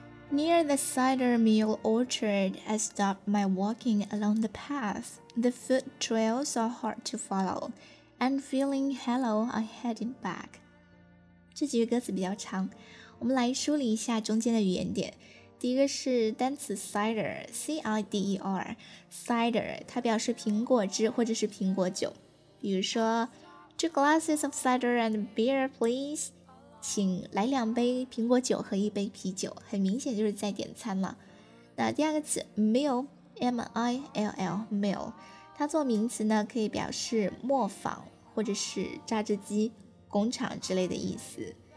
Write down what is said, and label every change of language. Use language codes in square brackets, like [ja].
[en] Near the cider mill orchard, I stopped my walking along the path. The foot trails are hard to follow, and feeling hollow, I headed back. [zh] 这几句歌词比较长，我们来梳理一下中间的语言点。第一个是单词 cider, C-I-D-E-R, cider, 它表示苹果汁或者是苹果酒。比如说 [en] two glasses of cider and beer, please. [zh] 请来两杯苹果酒和一杯啤酒，很明显就是在点餐了。那第二个词 mill， M-I-L-L， mill， 它做名词呢可以表示磨坊或者是榨汁机工厂之类的意思。